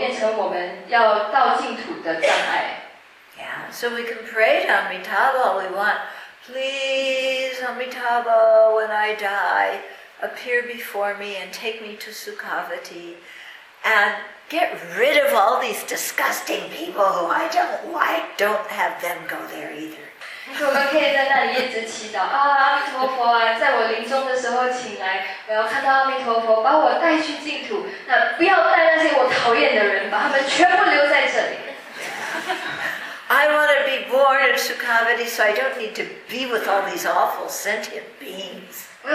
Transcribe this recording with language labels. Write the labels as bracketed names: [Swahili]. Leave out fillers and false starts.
[Chinese] 因为如果我们心里一直放不下我们的愤怒啊、厌恶、烦厌、烦恼，反而会使我们开始制造恶业，然后变成我们要到净土的障碍。 [English] Yeah, so we can pray to Amitabha all we want. Please, Amitabha, when I die, appear before me and take me to Sukhavati and get rid of all these disgusting people who I don't like. Don't have them go there either. [Chinese] 我们可以在那里一直祈祷，阿弥陀佛啊，在我临终的时候请来，我要看到阿弥陀佛把我带去净土，那不要带那些我讨厌的人，把他们全部留在这里。 [English] I want to be born in Sukhavati so I don't need to be with all these awful sentient beings.